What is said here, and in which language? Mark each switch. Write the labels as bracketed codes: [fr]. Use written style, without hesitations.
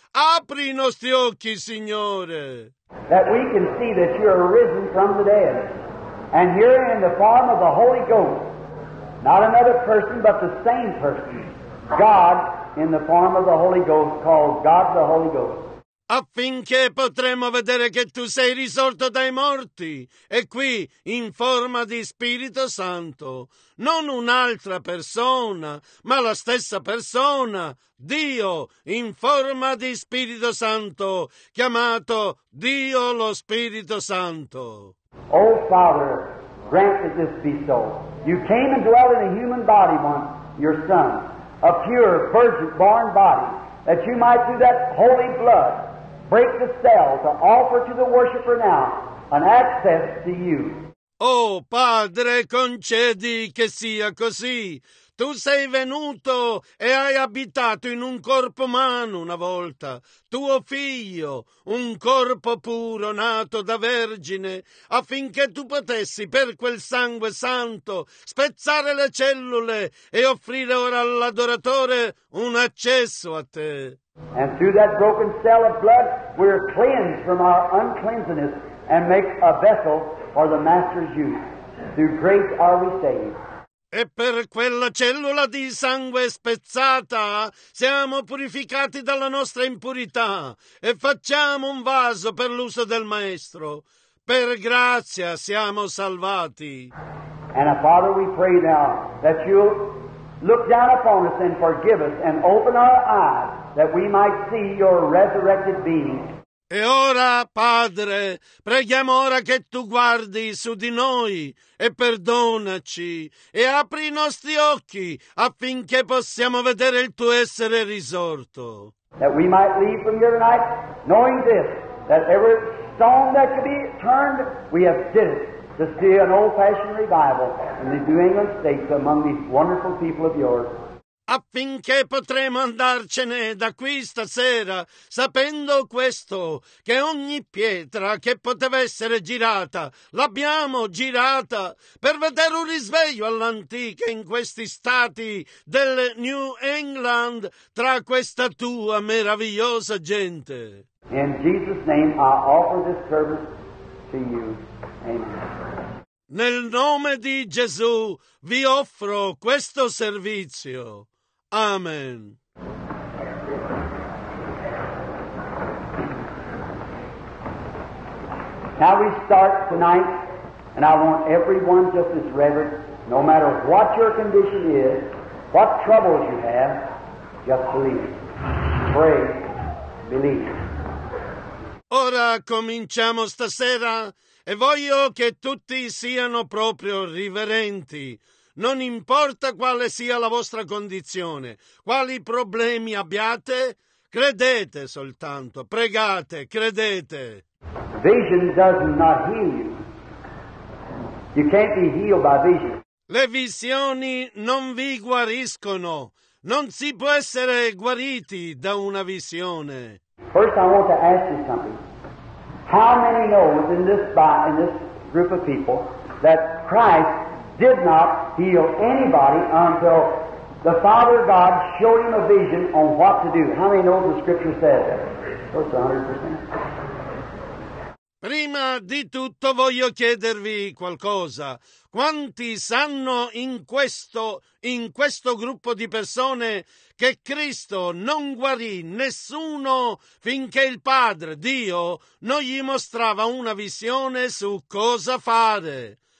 [it] Apri i nostri occhi, Signore. [en] That we can see that you are risen from the dead. And you're in the form of the Holy Ghost. Not another person, but the same person. God in the form of the Holy Ghost, called God the Holy Ghost. [it] Affinché potremo vedere che tu sei risorto dai morti e qui in forma di Spirito Santo, non un'altra persona, ma la stessa persona, Dio in forma di Spirito Santo, chiamato Dio lo Spirito Santo. [en] Oh Father, grant that this be so. You came and dwelt in a human body once, your Son, a pure, virgin, born body, that you might through that holy blood break the cell to offer to the worshiper now an access to you. [it] Oh Padre, concedi che sia così. Tu sei venuto e hai abitato in un corpo umano una volta. Tuo figlio, un corpo puro nato da vergine, affinché tu potessi per quel sangue santo spezzare le cellule e offrire ora all'adoratore un accesso a te. [en] And through that broken cell of blood, we're cleansed from our uncleanness and make a vessel for the Master's use. Through grace are we saved. [it] E per quella cellula di sangue spezzata siamo purificati dalla nostra impurità e facciamo un vaso per l'uso del Maestro. Per grazia siamo salvati. [en] And Father, we pray now that you look down upon us and forgive us and open our eyes that we might see your resurrected being. [it] E ora, Padre, preghiamo ora che tu guardi su di noi e perdonaci e apri i nostri occhi affinché possiamo vedere il tuo essere risorto. [en] That we might leave from here tonight knowing this, that every stone that could be turned, we have did it to see an old-fashioned revival in the New England States among these wonderful people of yours. [it] Affinché potremo andarcene da qui stasera, sapendo questo, che ogni pietra che poteva essere girata, l'abbiamo girata per vedere un risveglio all'antica in questi stati del New England tra questa tua meravigliosa gente. [en] In Jesus' name I offer this service to you. Amen. [it] Nel nome di Gesù vi offro questo servizio. Amen. [en] Now we start tonight, and I want everyone just as reverent, no matter what your condition is, what troubles you have, just believe. Pray, believe. [it] Ora cominciamo stasera, e voglio che tutti siano proprio riverenti. Non importa quale sia la vostra condizione, quali problemi abbiate, credete soltanto, pregate, credete. [en] Vision does not heal you. You can't be healed by vision. [it] Le visioni non vi guariscono. Non si può essere guariti da una visione. [en] First I want to ask you something. How many know in this group of people that Christ did not heal anybody until the Father God showed him a vision on what to do? How many know the Scripture says that? That's 100%. [it] Prima di tutto voglio chiedervi qualcosa. Quanti sanno in questo gruppo di persone che Cristo non guarì nessuno finché il Padre, Dio, non gli mostrava una visione su cosa fare?